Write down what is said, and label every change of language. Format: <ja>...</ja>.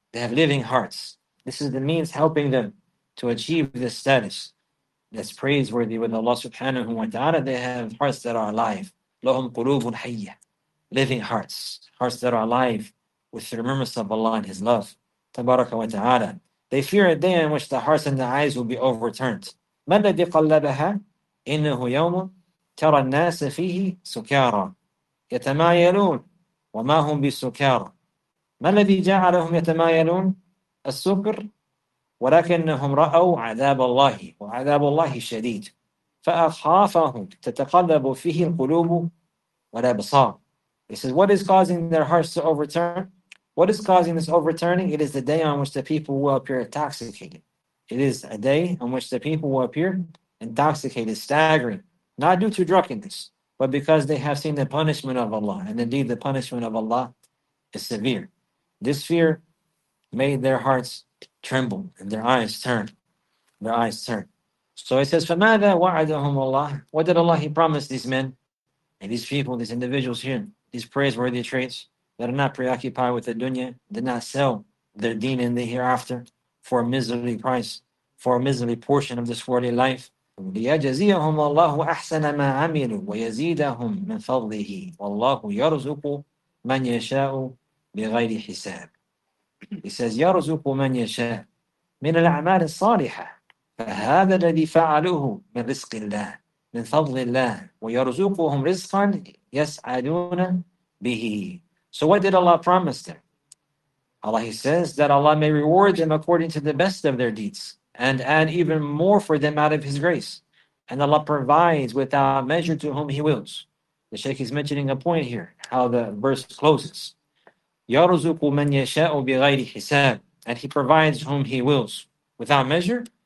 <en>They have living hearts. This is the means helping them to achieve this status that's praiseworthy with Allah subhanahu wa ta'ala. They have hearts that are alive.</en> <ar>لَهُمْ قُلُوبٌ حَيَّةٌ</ar> <en>Living hearts, hearts that are alive with the remembrance of Allah and His love. Tabaraka wa ta'ala. They fear a day in which the hearts and the eyes will be overturned.</en> <ar>مَا الَّذِي قَلَّبَهَا إِنَّهُ يَوْمٌ تَرَى النَّاسَ فِيهِ سُكَارًا يَتَمَايَلُونَ وَمَا هُمْ بِسُكَارًا مَا الَّذِي جَعَلَهُمْ يَتَمَايَلُونَ السُّكْر وَلَكِنَّهُمْ رَأَوْا عَذَابَ اللَّهِ وَعَذَابُ اللَّهِ شَدِيدٌ فَأَخَافَهُمْ تَتَقَلَّبُ فِيهِ الْقُلُوبُ وَالْأَبْصَارُ</ar> <en>He says, what is causing their hearts to overturn? What is causing this overturning? It is the day on which the people will appear intoxicated. It is a day on which the people will appear intoxicated, staggering, not due to drunkenness, but because they have seen the punishment of Allah. And indeed, the punishment of Allah is severe. This fear made their hearts tremble and their eyes turn. Their eyes turn. So it says,</en> <ar>فَمَاذَا وَعَدَهُمُ اللَّهُ</ar> <en>What did Allah, He promised these men and these people, these individuals here, these praiseworthy traits that are not preoccupied with the dunya, did not sell their deen in the hereafter for a miserly price, for a miserly portion of this worldly life.</en> <ar>لِيَجَزِيَهُمْ اللَّهُ أَحْسَنَ مَا عَمِلُوا وَيَزِيدَهُمْ مِنْ فَضْلِهِ وَاللَّهُ يَرْزُقُ مَنْ يَشَاءُ بِغَيْرِ حِسَابٍ</ar> <en>He says,</en> <ar>يَرْزُقُ مَنْ يَشَاءُ مِنَ الْأَعْمَالِ الصَّالِحَةِ فَهَذَا الَّذِي فَعَلُهُ مِنْ رِزْقِ اللَّهِ مِنْ فَضْلِ اللَّهِ وَيَرْزُقُهُمْ رِزْقًا يَسْعَدُونَ بِهِ</ar> <en>So what did Allah promise them? Allah, He says, that Allah may reward them according to the best of their deeds and add even more for them out of His grace. And Allah provides without measure to whom He wills. The Shaykh is mentioning a point here, how the verse closes.</en> <ar>يَرْزُقُ مَنْ يَشَاءُ بِغَيْرِ حِسَابٍ</ar> <en>And He provides whom He wills without measure.</en>